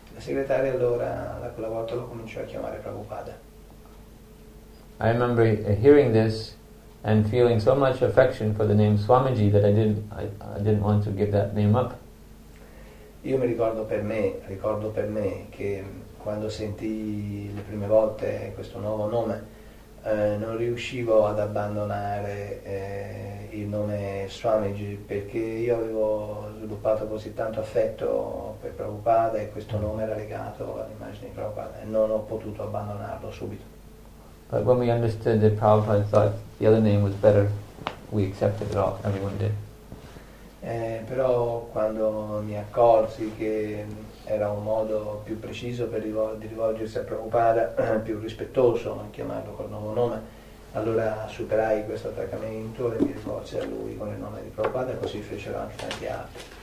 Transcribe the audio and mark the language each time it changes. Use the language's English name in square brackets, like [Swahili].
[Italian] La segretaria allora, da quella volta, lo cominciò a chiamare Prabhupada. [English] I remember hearing this and feeling so much affection for the name Swamiji that I didn't want to give that name up. [Italian] Io mi ricordo per me che quando sentì le prime volte questo nuovo nome, non riuscivo ad abbandonare il nome Swamiji, perché io avevo sviluppato così tanto affetto per Prabhupada e questo nome era legato all'immagine di Prabhupada e non ho potuto abbandonarlo subito. [English] But when we understood that Prabhupada thought the other name was better, we accepted it all, everyone did. [Italian] Però quando mi accorsi che era un modo più preciso per rivol di rivolgersi a Prabhupada, più rispettoso, a chiamarlo col nuovo nome, allora superai questo attaccamento e mi rivolsi a lui con il nome di Prabhupada, così fecero anche tanti altri.